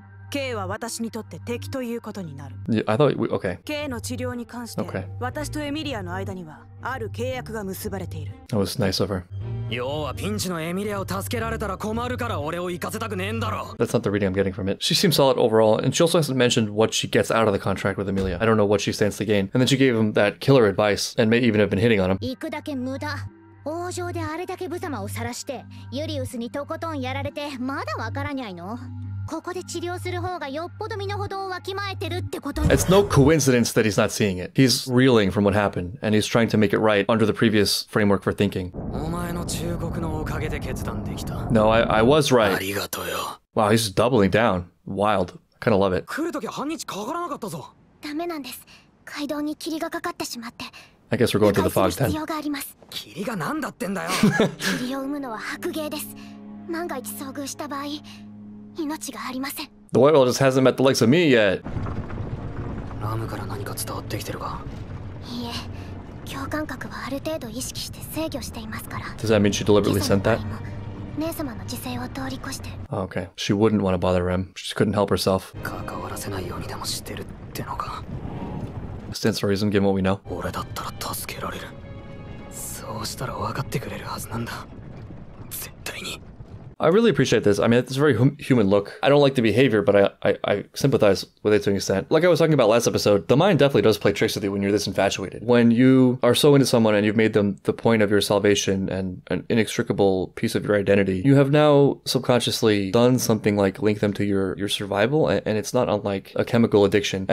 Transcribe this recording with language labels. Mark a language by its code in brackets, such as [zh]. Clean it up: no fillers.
[ja] K は私にとって敵ということになる。 [en] Yeah, I thought we, okay. [ja] K の治療に関して、 [en] okay. [ja] 私とエミリアの間にはある契約が結ばれている。 [en] That was nice of her. [ja] 要はピンチのエミリアを助けられたら困るから俺を行かせたくねえんだろ。 [en] That's not the reading I'm getting from it. She seems solid overall, and she also hasn't mentioned what she gets out of the contract with Amelia. I don't know what she stands to gain. And then she gave him that killer advice, and may even have been hitting on him. [ja] 行くだけ無駄。王城であれだけ無様を晒して、ユリウスにとことんやられてまだわからないの？ここで治療する方がよっぽど身の程をわきまえてるってこと。 [en] It's no coincidence that he's not seeing it. He's reeling from what happened, and he's trying to make it right under the previous framework for thinking. [ja] お前の忠告のおかげで決断できた。 [en] No, I was right. [ja] ありがとうよ。 [en] Wow, he's doubling down. Wild. Kind of love it. [ja] 来るときは半日かからなかったぞ。ダメなんです。街道に霧がかかってしまって。 [en] I guess we're going to the fog then. [ja] 必要があります。霧がなんだってんだよ。霧を生むのは白芸です。万が一遭遇した場合。命がありません。 [en] The white whale just hasn't met the likes of me yet. [ja] ラムから何か伝わってきてるか。いえ、共感覚はある程度意識して制御していますから。 [en] Does that mean she deliberately sent that? [ja] 姉様の自制を通り越して。 [en] Okay. She wouldn't want to bother him. She couldn't help herself. [ja] 関わらせないようにでも知ってるってのか。 [en] Stands for reason, given what we know. [ja] 俺だったら助けられる。そうしたら分かってくれるはずなんだ。絶対に。 [en] I really appreciate this. I mean, it's a very human look. I don't like the behavior, but I sympathize with it to an extent. Like I was talking about last episode, the mind definitely does play tricks with you when you're this infatuated. When you are so into someone and you've made them the point of your salvation and an inextricable piece of your identity, you have now subconsciously done something like link them to your survival, and it's not unlike a chemical addiction.